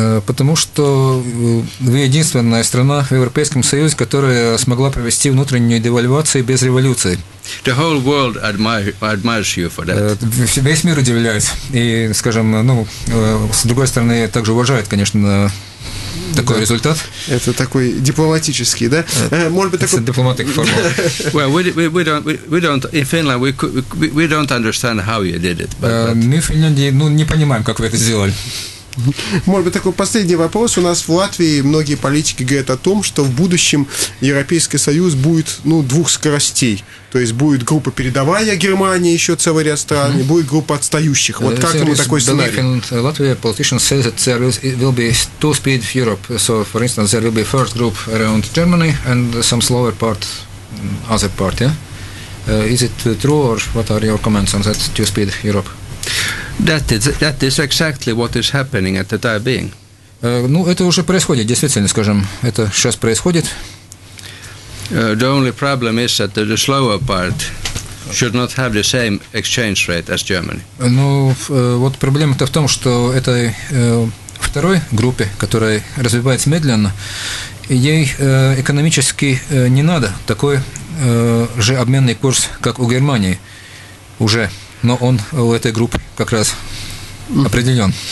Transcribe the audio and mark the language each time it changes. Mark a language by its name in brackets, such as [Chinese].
[Russian] Потому что вы единственная страна в Европейском Союзе, которая смогла провести внутреннюю девальвацию без революции. [English] The whole world admires you for that. [Russian] Весь мир удивляется. И, скажем, с другой стороны, также уважает, конечно, такой результат. Это такой дипломатический, да? Может быть, такой дипломатик формал. [English] Well, we don't in Finland we don't understand how you did it. [Russian] Мы в Финляндии, не понимаем, как вы это сделали. Может быть, такой последний вопрос. У нас в Латвии многие политики говорят о том, что в будущем Европейский Союз будет двух скоростей. То есть будет группа передовая Германии, еще целый ряд стран, и будет группа отстающих. Вот как ему такой сценарий? [English] Latvia politicians say that there will be two speed of Europe. So, for instance, there will be first group around Germany and some slower part other part, yeah? Is it true or what are your comments on that two speed of Europe? That is exactly what is happening at the time being. [Russian] Это уже происходит, действительно, скажем, это сейчас происходит. [English] The only problem is that the slower part should not have the same exchange rate as Germany. [Russian] Вот проблема-то в том, что этой второй группе, которая развивается медленно, ей экономически не надо такой же обменный курс, как у Германии уже. Но он у этой группы как раз определен.